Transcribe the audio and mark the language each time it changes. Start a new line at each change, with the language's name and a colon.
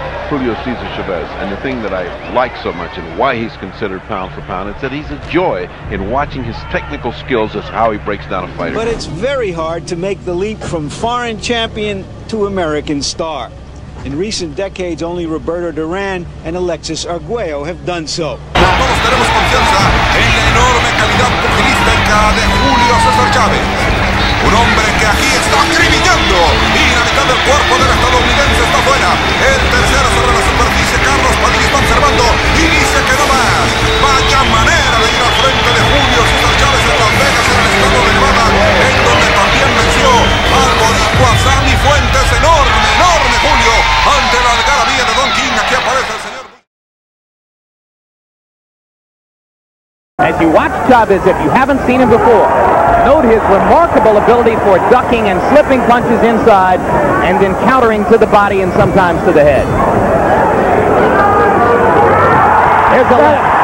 English: Julio Cesar Chavez, and the thing that I like so much and why he's considered pound for pound is that he's a joy in watching his technical skills as how he breaks down a fighter. But it's very hard to make the leap from foreign champion to American star. In recent decades, only Roberto Duran and Alexis Arguello have done so.
Spanish: Todos tenemos confianza en la enorme calidad pugilística de Julio César Chávez. Un hombre que aquí está acribillando. Y la mitad del cuerpo del estadounidense está fuera. El tercero sobre la superficie, Carlos Padilla está observando. Y dice que no más. Vaya manera de ir al frente de Julio César Chávez en Las Vegas, en el estado de Nevada, en donde también venció al boricua Sammy Fuentes. Enorme, enorme Julio. Ante la algarabía de Don King, aquí aparece el señor.
English: As you watch Chavez, if you haven't seen him before, note his remarkable ability for ducking and slipping punches inside and then countering to the body and sometimes to the head. There's a left.